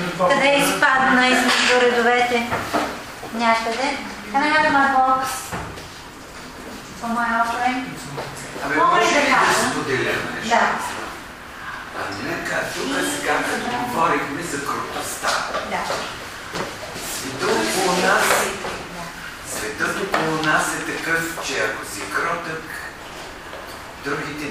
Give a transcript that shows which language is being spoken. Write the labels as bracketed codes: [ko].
[bg] Къде изпадна измежду редовете? Някъде? [en] Can I have my box for my offering? [bg] Мога ли да кажем? Да. А нека тук сега като говорихме за крутостта. Да. Светът около нас, светът около нас е такъв, че ако си кротък, другите